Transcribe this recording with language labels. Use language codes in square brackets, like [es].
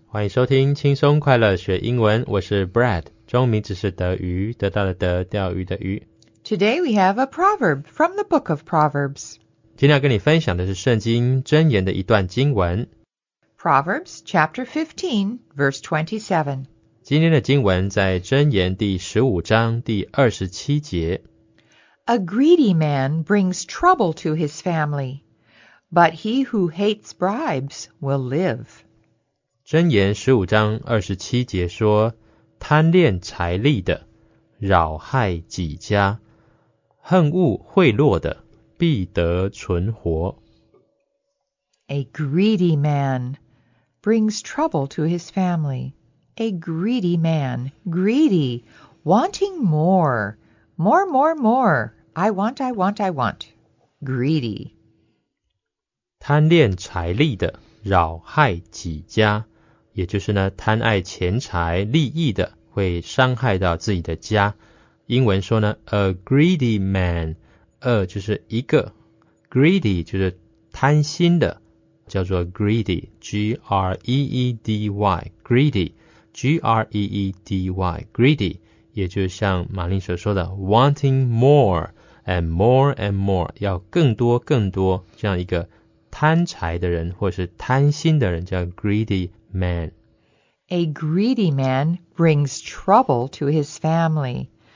[zh] 欢迎收听轻松快乐学英文。我是 Brad. 中文名字是德鱼，得到的德，钓鱼的鱼。 [en] Today we have a proverb from the book of Proverbs. [zh] 今天要跟你分享的是圣经箴言的一段经文。 [en] Proverbs chapter 15, verse 27. [zh] 今天的经文在箴言第十五章第二十七节。 [en] A greedy man brings trouble to his family. But he who hates bribes will live. [zh] 箴言十五章二十七节说，贪恋财利的，扰害己家；恨恶贿赂的，必得存活。 [en] A greedy man brings trouble to his family. A greedy man, greedy, wanting more, more, more, more. I want, I want, I want. Greedy. [zh] 贪恋财利的，扰害己家，也就是呢，贪爱钱财利益的，会伤害到自己的家。英文说呢 ， [en] a greedy man， [zh] 就是一个 greedy 就是贪心的，叫做 greedy， G-R-E-E-D-Y， greedy， G-R-E-E-D-Y， greedy， 也就像玛丽所说的 ， [en] wanting more and more and more， [zh] 要更多更多这样一个。贪财的人或是贪心的人叫 [en] greedy man. A greedy man brings trouble to his family.